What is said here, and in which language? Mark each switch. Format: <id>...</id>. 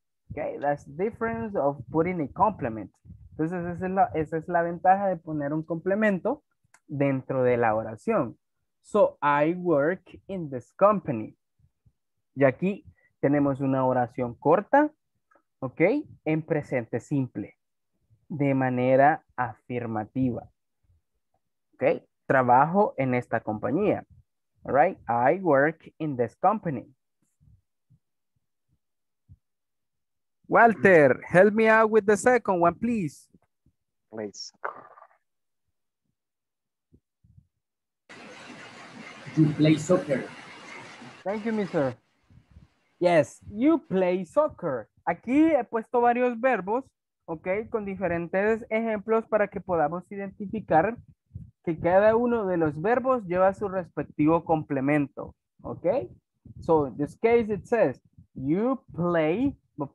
<en>Okay, that's the difference of putting a complement.</en> <es>Entonces, esa es la ventaja de poner un complemento dentro de la oración.</es> <en>So, I work in this company.</en> <es>Y aquí tenemos una oración corta,</es> <en>¿ok?</en> <es>En presente simple, de manera afirmativa. ¿Ok? Trabajo en esta compañía.</es> <en>All right? I work in this company. Walter, help me out with the second one, please. Please. You play soccer. Thank you, mister. Yes, you play soccer.</en> <es>Aquí he puesto varios verbos, ok, con diferentes ejemplos para que podamos identificar que cada uno de los verbos lleva su respectivo complemento, ok?</es> <en>So, in this case, it says, you play soccer.</en>